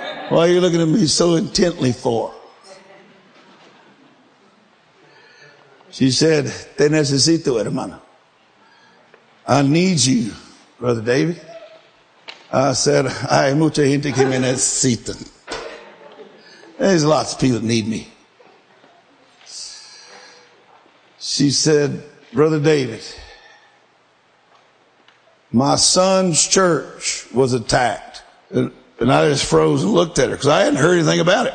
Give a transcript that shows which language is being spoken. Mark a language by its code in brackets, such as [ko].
[en] Why are you looking at me so intently for? She said, [es] te necesito, hermana. [en] I need you, Brother David. [es] I said, hay mucha gente que me necesita. [en] There's lots of people that need me. She said, Brother David, my son's church was attacked. And I just froze and looked at her because I hadn't heard anything about it.